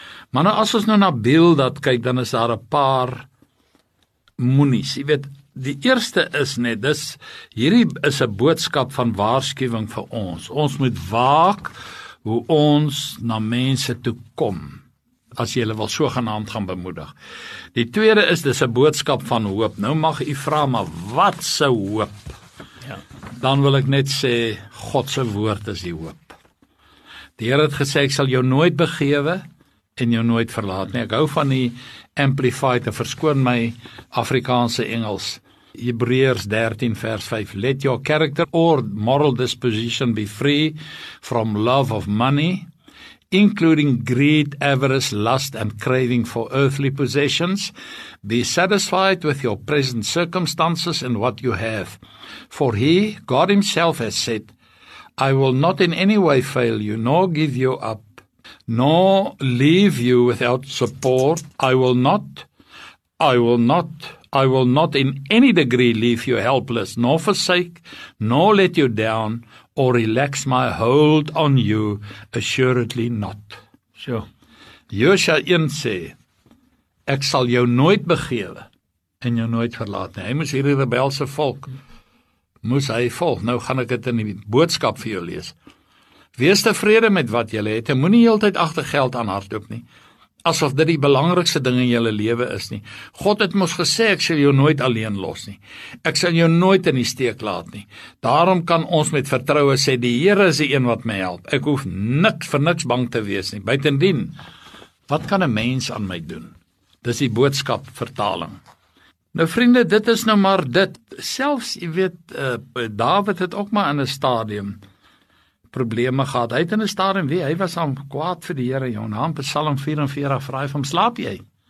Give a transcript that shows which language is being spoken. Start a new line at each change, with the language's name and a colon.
Afrikaans: Maar nou, as ons nou na Bildad kyk, dan is daar een paar moenies. Jy weet, die eerste is net, dis, hierdie is een boodskap van waarskuwing vir ons. Ons moet waak hoe ons na mense toe kom, as jy wil sogenaamd gaan bemoedig. Die tweede is, dis een boodskap van hoop. Nou mag jy vraag, maar wat se hoop? Ja. Dan wil ek net sê, God se woord is die hoop. Die Heer het gesê, ek sal jou nooit begewe en jou nooit verlaat. Nee, ek hou van die Amplified, en verskoon my Afrikaanse Engels, Hebreërs 13 vers 5,
English: let your character or moral disposition be free from love of money, including greed, avarice, lust and craving for earthly possessions. Be satisfied with your present circumstances and what you have. For he, God himself, has said, I will not in any way fail you, nor give you up, nor leave you without support. I will not in any degree leave you helpless, nor forsake, nor let you down, or relax my hold on you, assuredly not.
Afrikaans: So, Josua 1 sê, ek sal jou nooit begewe en jou nooit verlaat nie. Hy moes hierdie rebelse volk, moes hy volg. Nou gaan ek dit in die boodskap vir jou lees. Wees tevrede met wat jy het, en moet nie heeltyd achter geld aan hardloop nie, asof dit die belangrikste ding in jou lewe is nie. God het mos gesê, ek sal jou nooit alleen los nie. Ek sal jou nooit in die steek laat nie. Daarom kan ons met vertroue sê, die Here is die een wat my help. Ek hoef niks vir niks bang te wees nie. Buitendien, wat kan 'n mens aan my doen? Dis die boodskap vertaling. Nou vriende, dit is nou maar dit. Selfs, jy weet, David het ook maar in 'n stadium probleme gehad, hy het in die stadium wee, hy was aan kwaad vir die Here, jou naam, Psalm 44, vraag van, slaap jy?